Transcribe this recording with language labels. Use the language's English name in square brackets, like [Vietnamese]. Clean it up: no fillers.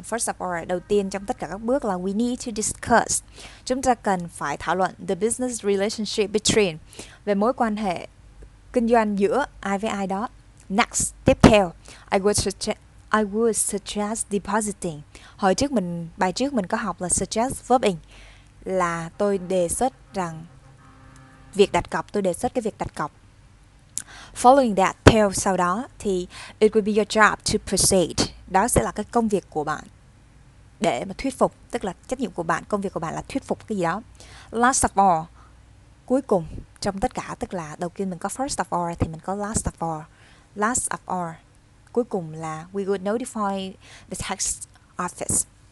[English] First of all, [Vietnamese] đầu tiên trong tất cả các bước là [English] we need to discuss. [Vietnamese] Chúng ta cần phải thảo luận [English] the business relationship between, [Vietnamese] về mối quan hệ kinh doanh giữa ai với ai đó. [English] Next, [Vietnamese] tiếp theo, [English] I would suggest depositing. [Vietnamese] Hồi trước mình, bài trước mình có học là [English] suggest verbing, [Vietnamese] là tôi đề xuất rằng việc đặt cọc, tôi đề xuất cái việc đặt cọc. [English] Following that, [Vietnamese] theo sau đó thì [English] it will be your job to proceed. [Vietnamese] Đó sẽ là cái công việc của bạn để mà thuyết phục, tức là trách nhiệm của bạn, công việc của bạn là thuyết phục cái gì đó. [English] Last of all, [Vietnamese] cuối cùng trong tất cả, tức là đầu tiên mình có [English] first of all [Vietnamese] thì mình có [English] last of all. Last of all, [Vietnamese] cuối cùng là [English] we will notify the tax office.